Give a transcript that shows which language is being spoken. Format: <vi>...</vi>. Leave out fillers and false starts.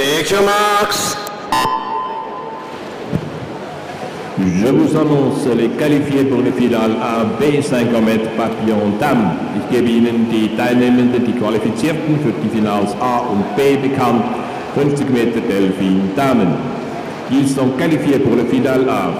<en>Your marks.</en> <fr>Je vous annonce les qualifiés pour les finales A, B, 50 mètres papillon dame.</fr> <de>Ich gebe Ihnen die Teilnehmenden, die Qualifizierten für die Finals A und B bekannt. 50 Meter Delfin Damen.</de> <fr>Ils sont qualifiés pour le final A.</fr>